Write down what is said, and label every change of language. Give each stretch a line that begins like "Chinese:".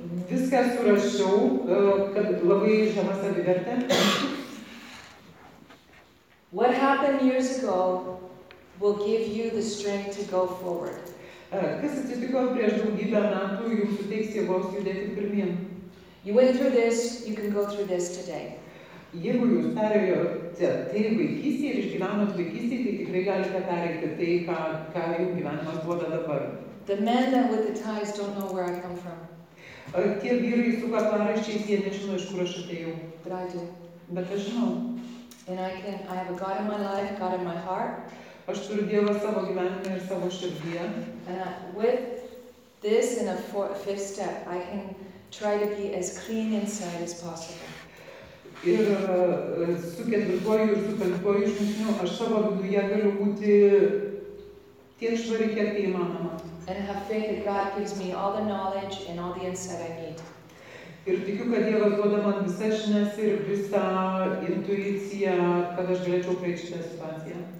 Lithuanian: Viską surašiau, kad labai žema savivertė.
English: What happened years ago will give you the strength to go forward.
Lithuanian: Kas atsitiko prieš daugybę metų, jums suteiks jėgos judėti pirmyn.
English: You went through this, you can go through this today.
Lithuanian: Jeigu jūs perėjote tai vaikystėje ir išgyvenot vaikystėje, tai tikrai galite perėti tai, ką jums gyvenimas duoda dabar.
English: The men that with the ties don't know where I come from.
Lithuanian: Tie vyrai su kaklaraiščiais, jie nežino, iš kur aš atėjau.
English: But I do.
Lithuanian: Bet aš žinau.
English: And I have a God in my life, God in my heart.
Lithuanian: Aš turiu Dievą savo gyvenime ir savo širdyje.
English: And with this in a fifth step, I can try to be as clean inside as possible.
Lithuanian: Ir su ketvirtuoju ir su penktuoju žingsniu, aš savo viduje galiu būti tiek švari, kiek tai įmanoma.
English: And have faith that God gives me all the knowledge and all the insight I need.
Lithuanian: Ir tikiu, kad Dievas duoda man visas žinias ir visą intuiciją, kad aš galėčiau prieiti šitą situaciją.